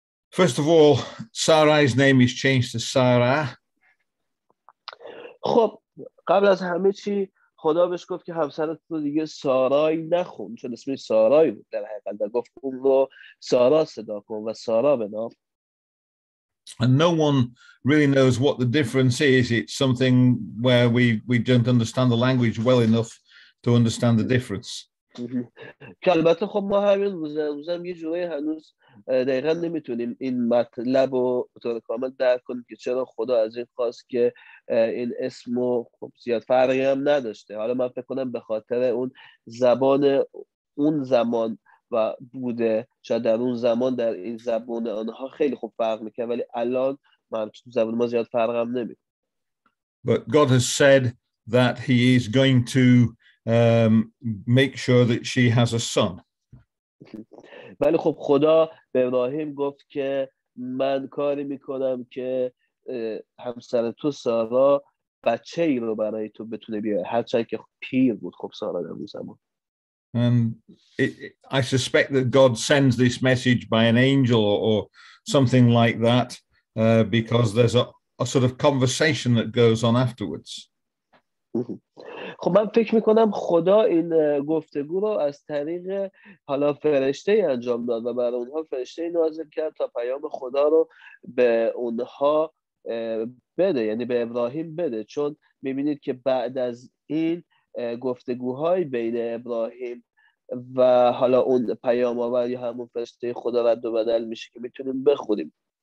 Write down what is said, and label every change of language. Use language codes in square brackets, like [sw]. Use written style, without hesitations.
[en] First of all, Sarai's name is changed to Sarah. [fa] خب قبل از همه چی خدا بهش گفت که همسرت رو دیگه سارای نخون، چون اسمش سارای بود در حقیقت، گفت اون رو سارا صدا کن و سارا بنام. [en] And no one really knows what the difference is. It's something where we don't understand the language well enough to understand the difference. [fa] که البته خب ما همین روزم یه جوری هنوز دقیقا نمیتونیم این مطلب رو طور کامل درک کنیم که چرا خدا از این خواست که این اسمو خب زیاد فرقی هم نداشته حالا من فکر کنم به خاطر اون زبان اون زمان و بوده شاید در اون زمان در این زبان آنها خیلی خوب فرق میکنه ولی الان من تو زبان ما زیاد فرق هم نمیتونیم [en] But God has said that he is going to make sure that she has a son. [fa] ولی خب خدا به ابراهیم گفت که من کاری میکنم که همسر تو سارا بچه ای رو برای تو بتونه بیاره هرچند که پیر بود خب سارا در اون زمان. [en] And I suspect that God sends this message by an angel or something like that because there's a sort of conversation that goes on afterwards. [fa] خب من فکر میکنم خدا این گفتگو رو از طریق حالا فرشته ای انجام داد و برای اونها فرشته ای نازل کرد تا پیام خدا رو به اونها بده یعنی به ابراهیم بده چون میبینید که بعد از این گفتگوهای بین ابراهیم و حالا اون پیام آور یا همون فرشته خدا رد و بدل میشه که میتونیم بخونیم